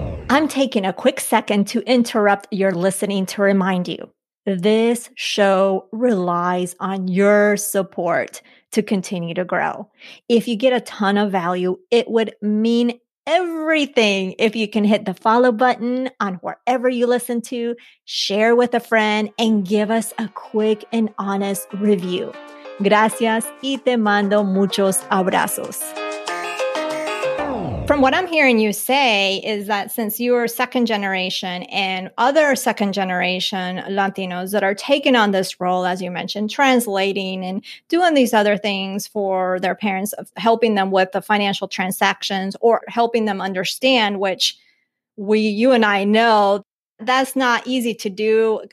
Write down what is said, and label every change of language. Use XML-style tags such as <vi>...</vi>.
<en>I'm taking a quick second to interrupt your listening to remind you, this show relies on your support to continue to grow. If you get a ton of value, it would mean everything if you can hit the follow button on wherever you listen to, share with a friend, and give us a quick and honest review.</en> <es>Gracias y te mando muchos abrazos.</es> <en>From what I'm hearing you say is that since you are second generation and other second generation Latinos that are taking on this role, as you mentioned, translating and doing these other things for their parents, helping them with the financial transactions or helping them understand, which you and I know that's not easy to do.</en>